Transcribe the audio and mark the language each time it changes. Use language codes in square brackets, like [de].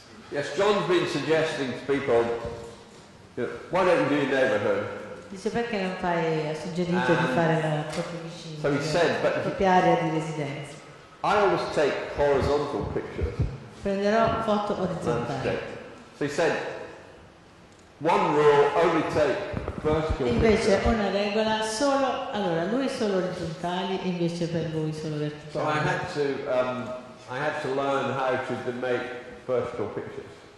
[en] Yes, John's been suggesting to people, you know, why don't you do your neighborhood? [it] Dice perché non fai, ha suggerito di fare la propria vicina. [en] So he said, but [it] propria area di residenza. [en] I always take horizontal pictures. [it] Prenderò foto orizzontali. [en] So he said, one rule, only take vertical. [it] Invece [en] pictures. [it] Una regola, solo allora lui solo orizzontali, invece per voi solo verticali. [en] So I had to learn how to make vertical pictures.